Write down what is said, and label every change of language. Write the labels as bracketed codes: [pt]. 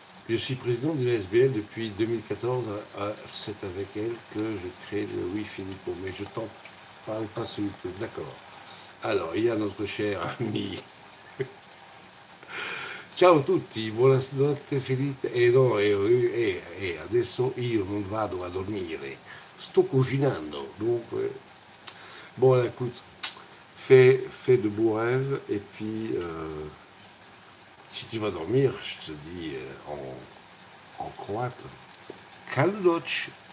[fr] Je suis président d'une ASBL depuis 2014. C'est avec elle que je crée le « Oui, Filippo ». Mais je t'en parle pas sur YouTube. D'accord. Alors, il y a notre cher ami. [it] Ciao tutti, buonasera, Filippo. [fr] Et non, [it] et adesso io non vado a dormire. Sto cucinando, [fr] donc bon, là, écoute, fais de beaux rêves, et puis si tu vas dormir, je te dis en croate, kaludoc.